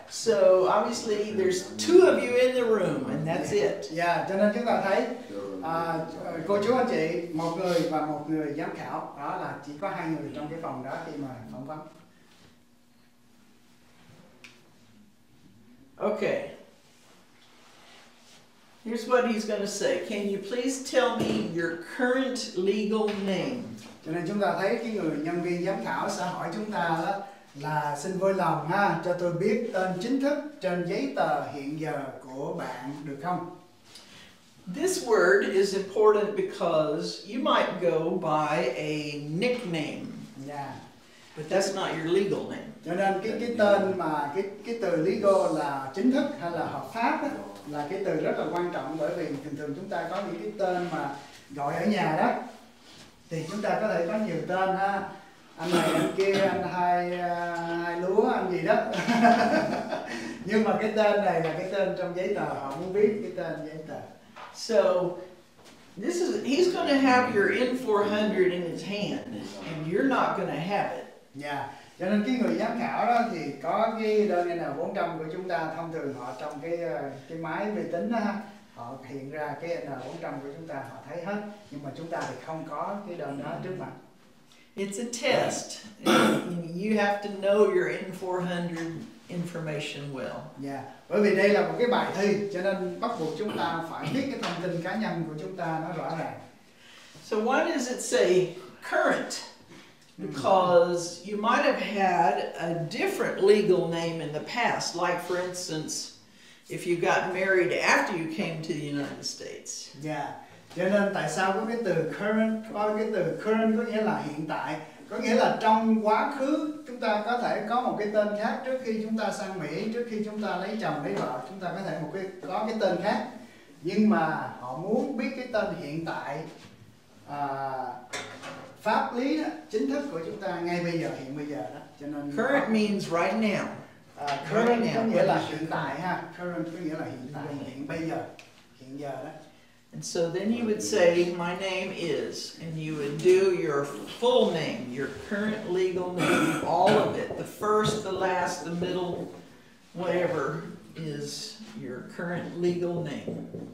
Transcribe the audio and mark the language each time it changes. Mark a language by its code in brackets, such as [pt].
[en] So obviously there's two of you in the room and that's yeah. it. [vi] Yeah, cho nên chúng ta thấy cô chú anh chị một người và một người giám khảo, đó là chỉ có hai người trong cái phòng đó khi mà phỏng vấn. [en] Okay. Here's what he's going to say. Can you please tell me your current legal name? [vi] Cho nên chúng ta thấy cái người nhân viên giám khảo sẽ hỏi chúng ta đó, là xin vui lòng ha, cho tôi biết tên chính thức trên giấy tờ hiện giờ của bạn được không? [en] This word is important because you might go by a nickname. Yeah. But that's not your legal name. [vi] Cho nên cái tên mà cái từ legal là chính thức hay là hợp pháp đó, là cái từ rất là quan trọng, bởi vì thường thường chúng ta có những cái tên mà gọi ở nhà đó, thì chúng ta có thể có nhiều tên ha, anh này anh kia anh hai hai lúa anh gì đó nhưng mà cái tên này là cái tên trong giấy tờ, họ muốn biết cái tên giấy tờ. [en] So this is, he's going to have your N-400 in his hand and you're not going to have it. Yeah. [vi] Cho nên cái người giám khảo đó thì có ghi đơn N-400 của chúng ta, thông thường họ trong cái máy vi tính đó, họ hiện ra cái N-400 của chúng ta, họ thấy hết, nhưng mà chúng ta thì không có cái đơn đó trước mặt. [en] It's a test. You have to know your N-400 information well. Yeah. [vi] Bởi vì đây là một cái bài thi, cho nên bắt buộc chúng ta phải biết cái thông tin cá nhân của chúng ta nó rõ ràng. [en] So why does it say current? Because you might have had a different legal name in the past, like for instance, if you got married after you came to the United States. Yeah. [vi] Cho nên tại sao có cái từ current, có cái từ current có nghĩa là hiện tại, có nghĩa là trong quá khứ chúng ta có thể có một cái tên khác trước khi chúng ta sang Mỹ, trước khi chúng ta lấy chồng lấy vợ, chúng ta có thể một cái có cái tên khác, nhưng mà họ muốn biết cái tên hiện tại pháp lý đó, chính thức của chúng ta ngay bây giờ, hiện bây giờ đó. Cho nên [en] current means right now. [vi] Current có nghĩa là hiện tại ha. Current có nghĩa là hiện tại, hiện bây giờ, hiện giờ đó. [en] And so then you would say, my name is, and you would do your full name, your current legal name, all of it, the first, the last, the middle, whatever is your current legal name.